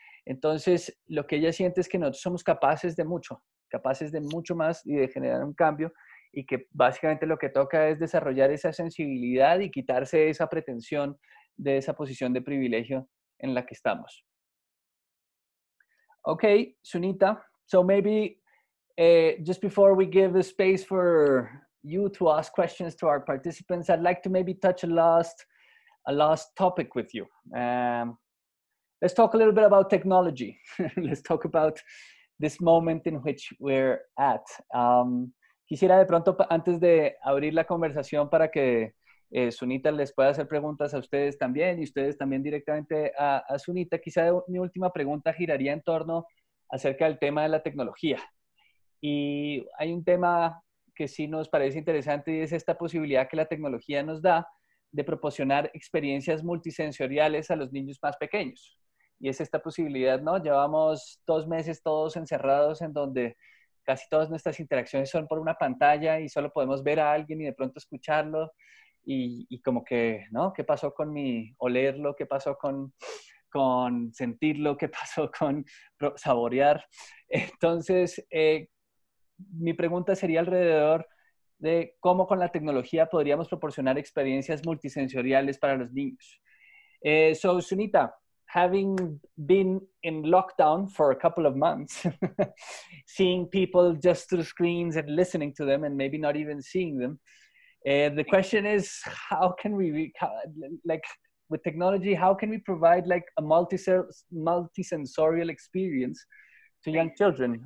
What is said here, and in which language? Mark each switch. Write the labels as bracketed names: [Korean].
[Spanish] Entonces, lo que ella siente es que nosotros somos capaces de mucho más y de generar un cambio, y que básicamente lo que toca es desarrollar esa sensibilidad y quitarse esa pretensión de esa posición de privilegio en la que estamos. [English] Okay, Sunita, so maybe just before we give the space for you to ask questions to our participants, I'd like to maybe touch a last topic with you. Let's talk a little bit about technology. Let's talk about this moment in which we're at. [Spanish] Quisiera de pronto, antes de abrir la conversación para que Sunita les pueda hacer preguntas a ustedes también y ustedes también directamente a Sunita, quizá mi última pregunta giraría en torno acerca del tema de la tecnología. Y hay un tema que sí nos parece interesante y es esta posibilidad que la tecnología nos da de proporcionar experiencias multisensoriales a los niños más pequeños. Y es esta posibilidad, ¿no? Llevamos 2 meses todos encerrados en donde casi todas nuestras interacciones son por una pantalla y solo podemos ver a alguien y de pronto escucharlo y como que, ¿no? ¿Qué pasó con mi olerlo? ¿Qué pasó con sentirlo? ¿Qué pasó con saborear? Entonces, mi pregunta sería alrededor de cómo con la tecnología podríamos proporcionar experiencias multisensoriales para los niños. [English] So, Sunita, having been in lockdown for a couple of months, seeing people just through screens and listening to them and maybe not even seeing them, the question is, how can we, like, with technology, how can we provide, like, a multisensorial experience to young children?